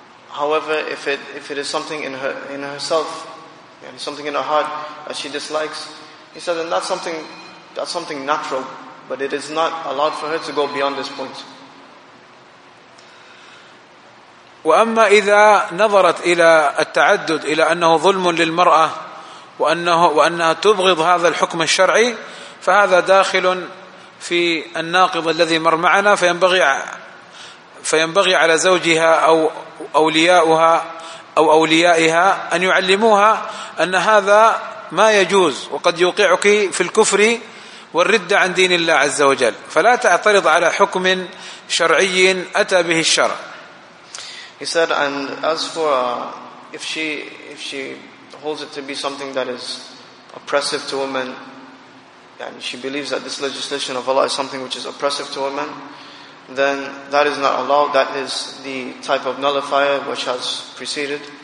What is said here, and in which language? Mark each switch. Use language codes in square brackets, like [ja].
[en] However, if it is something in herself, yani something in her heart that she dislikes, he said then that's something natural, but it is not allowed for her to go beyond this point. [ar] وأما إذا نظرت إلى التعدد إلى أنه ظلم للمرأة وأنها تبغض هذا الحكم الشرعي, فهذا داخل في الناقض الذي مر معنا, فينبغي على زوجها أو أولياؤها أو أوليائها أن يعلموها أن هذا ما يجوز, وقد يوقعك في الكفر والردة عن دين الله عز وجل, فلا تعترض على حكم شرعي أتى به الشرع. [en] He said, and as for if she holds it to be something that is oppressive to women, and she believes that this legislation of Allah is something which is oppressive to women, then that is not allowed. That is the type of nullifier which has preceded.